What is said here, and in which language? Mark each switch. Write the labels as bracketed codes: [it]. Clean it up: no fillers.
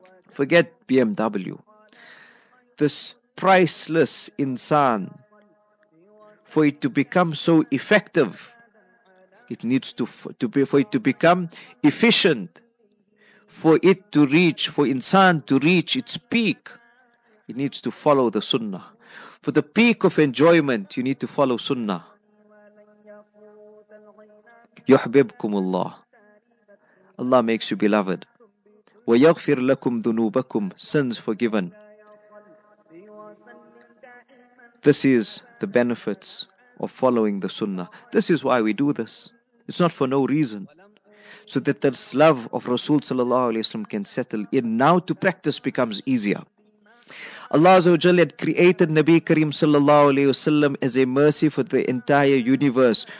[en] Forget BMW. This priceless insan, for it to become so effective, it needs to become efficient, for insan to reach its peak, it needs to follow the sunnah. For the peak of enjoyment, you need to follow sunnah. Yuhbibkumullah. Allah makes you beloved. [ar] وَيَغْفِرْ لَكُمْ ذُنُوبَكُمْ, [en] sins forgiven. This is the benefits of following the sunnah. This is why we do this. It's not for no reason. So that this love of Rasul sallallahu alayhi wa sallam can settle in. Now to practice becomes easier. Allah azza wa jalla had created Nabi Kareem sallallahu alayhi wa sallam as a mercy for the entire universe.